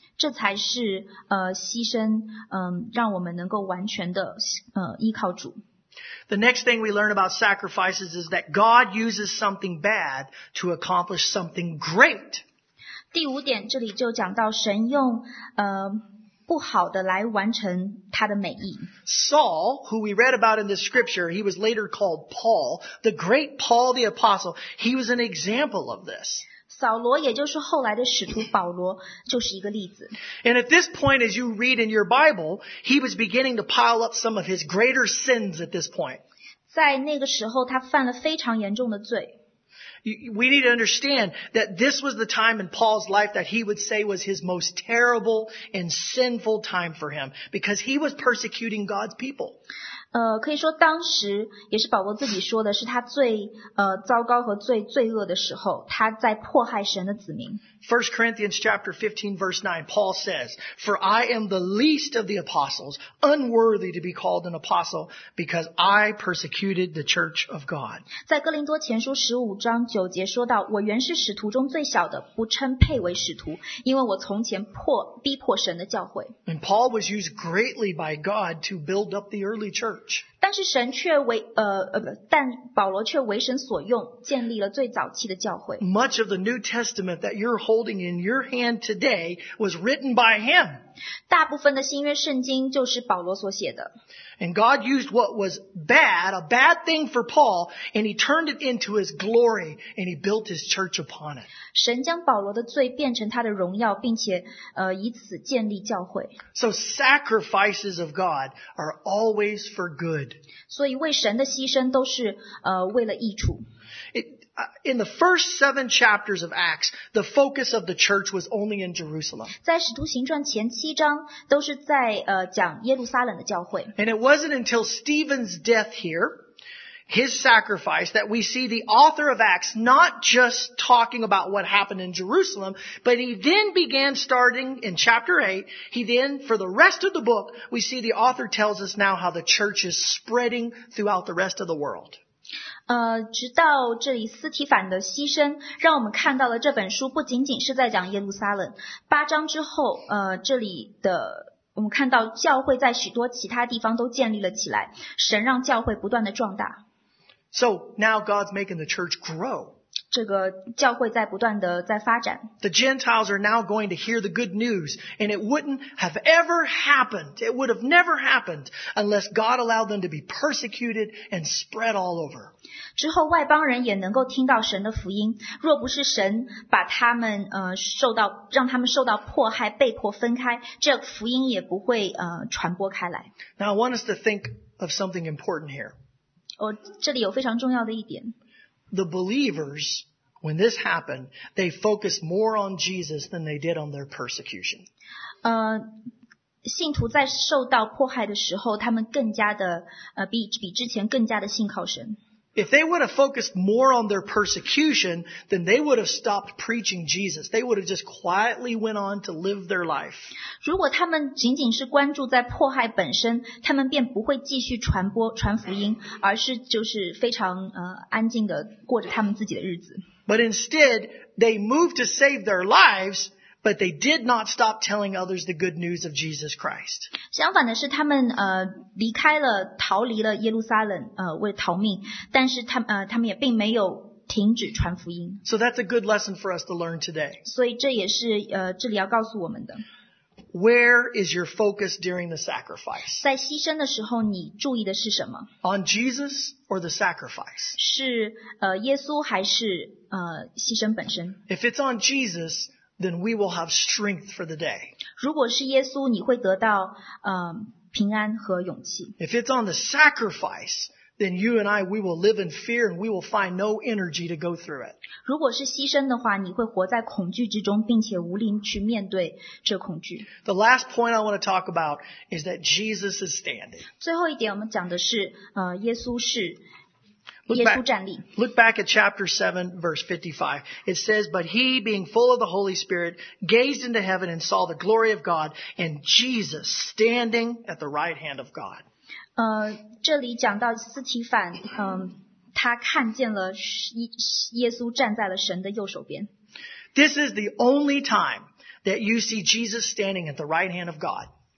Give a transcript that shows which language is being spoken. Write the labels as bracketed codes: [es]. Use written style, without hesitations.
[zh] 这才是牺牲让我们能够完全的依靠主。 [en] The next thing we learn about sacrifices is that God uses something bad to accomplish something great. [zh] 第五点，这里就讲到神用不好的来完成他的美意。 [en] Saul, who we read about in the scripture, he was later called Paul, the great Paul the Apostle, he was an example of this. [zh] 扫罗也就是后来的使徒保罗就是一个例子。 [en] And at this point, as you read in your Bible, he was beginning to pile up some of his greater sins at this point. [zh] 在那个时候他犯了非常严重的罪。 [en] We need to understand that this was the time in Paul's life that he would say was his most terrible and sinful time for him, because he was persecuting God's people. [zh] 可以说当时也是保罗自己说的，是他最糟糕和最罪恶的时候，他在迫害神的子民。 [en] 1 Corinthians chapter 15 verse 9, Paul says, For I am the least of the apostles, unworthy to be called an apostle, because I persecuted the church of God. [zh] 在哥林多前书15章九节说到，我原是使徒中最小的，不称配为使徒，因为我从前逼迫神的教会。 [en] And Paul was used greatly by God to build up the early church. [zh] 但是神却为但保罗却为神所用，建立了最早期的教会。 [en] Much of the New Testament that you're holding in your hand today was written by him. [zh] 大部分的新约圣经就是保罗所写的。 [en] And God used what was bad, a bad thing for Paul, and he turned it into his glory, and he built his church upon it. [zh] 神将保罗的罪变成他的荣耀，并且以此建立教会。 [en] So sacrifices of God are always for good. [zh] 所以为神的牺牲都是为了益处。 [en] In the first seven chapters of Acts, the focus of the church was only in Jerusalem. [zh] 在使徒行传前七章都是在讲耶路撒冷的教会。 [en] And it wasn't until Stephen's death here, his sacrifice, that we see the author of Acts not just talking about what happened in Jerusalem, but he then began starting in chapter 8, he then, for the rest of the book, we see the author tells us now how the church is spreading throughout the rest of the world. [zh] 直到这里斯提凡的牺牲让我们看到了这本书不仅仅是在讲耶路撒冷。八章之后这里的我们看到教会在许多其他地方都建立了起来，神让教会不断的壮大。 [en] So, now God's making the church grow. [zh] 这个教会在不断的在发展。 [en] The Gentiles are now going to hear the good news, and it wouldn't have ever happened, it would have never happened, unless God allowed them to be persecuted and spread all over. [zh] 之后外邦人也能够听到神的福音，若不是神把他们让他们受到迫害被迫分开，这福音也不会传播开来。 [en] Now I want us to think of something important here. [zh] 这里有非常重要的一点。 [en] The believers, when this happened, they focused more on Jesus than they did on their persecution. [zh] 信徒在受到迫害的时候，他们更加的比之前更加的信靠神。 [en] If they would have focused more on their persecution, then they would have stopped preaching Jesus. They would have just quietly went on to live their life. [zh] 如果他们仅仅是关注在迫害本身，他们便不会继续传福音，而是就是非常安静的过着他们自己的日子。 [en] But instead, they moved to save their lives. But they did not stop telling others the good news of Jesus Christ. [zh] 相反的是他们离开了逃离了耶路撒冷为逃命，但是他们也并没有停止传福音。 [en] So that's a good lesson for us to learn today. [zh] 所以这也是这里要告诉我们的。 [en] Where is your focus during the sacrifice? [zh] 在牺牲的时候你注意的是什么？ [en] On Jesus or the sacrifice? [zh] 是耶稣还是牺牲本身？ [en] If it's on Jesus, then we will have strength for the day. [zh] 如果是耶稣，你会得到平安和勇气。 [en] If it's on the sacrifice, then you and I, we will live in fear and we will find no energy to go through it. [zh] 如果是牺牲的话，你会活在恐惧之中，并且无力去面对这恐惧。 [en] The last point I want to talk about is that Jesus is standing. [zh] 最后一点我们讲的是耶稣是 [en] Look back at chapter 7, verse 55. It says, But he, being full of the Holy Spirit, gazed into heaven and saw the glory of God and Jesus standing at the right hand of God. [zh] 这里讲到斯提凡，他看见了耶稣站在了神的右手边。 [en] This is the only time that you see Jesus standing at the right hand of God.